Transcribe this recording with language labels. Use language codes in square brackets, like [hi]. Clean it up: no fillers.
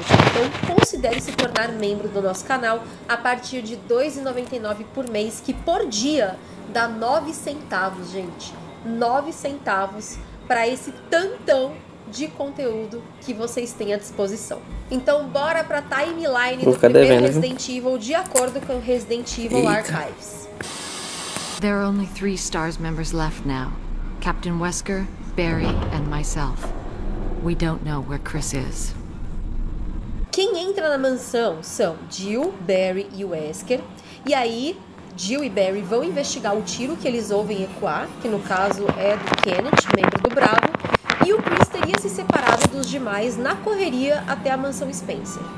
[pt] Então, considere se tornar membro do nosso canal a partir de R$ 2,99 por mês, que por dia dá 9 centavos, gente. 9 centavos para esse tantão de conteúdo que vocês têm à disposição. Então bora pra timeline do primeiro devendo, Resident Evil de acordo com o Resident Evil Eita. Archives. [en] There are only three STARS members left now. Captain Wesker, Barry and myself. We don't know where Chris is. [pt] Quem entra na mansão são Jill, Barry e Wesker. E aí, Jill e Barry vão investigar o tiro que eles ouvem ecoar, que no caso é do Kenneth, membro do Bravo. E o Chris teria se separado dos demais na correria até a mansão Spencer.